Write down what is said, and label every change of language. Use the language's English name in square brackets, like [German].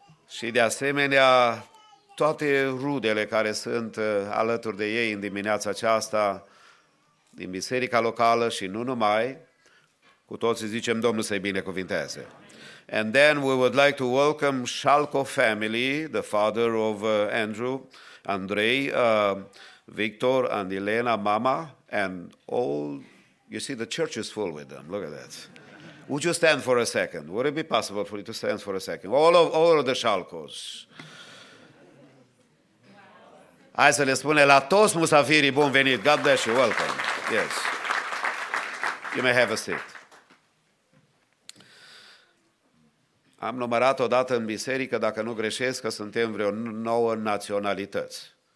[Romanian] Și de asemenea, toate rudele care sunt alături de ei în dimineața aceasta, din biserica locală și nu numai, cu toții zicem Domnul să-i binecuvinteze. [English] And then we would like to welcome Shalko family, the father of Andrew, Andrei, Victor and Elena, mama, and all, you see the church is full with them, look at that. Would you stand for a second? Would it be possible for you to stand for a second? All of the Shalkos. [Romanian] Hai să le spune la toți musafirii, bun venit. [English] God bless you, welcome. Yes. You may have a seat. [Romanian] Am numărat odată în biserică, dacă nu greșesc, că suntem vreo 9 naționalități.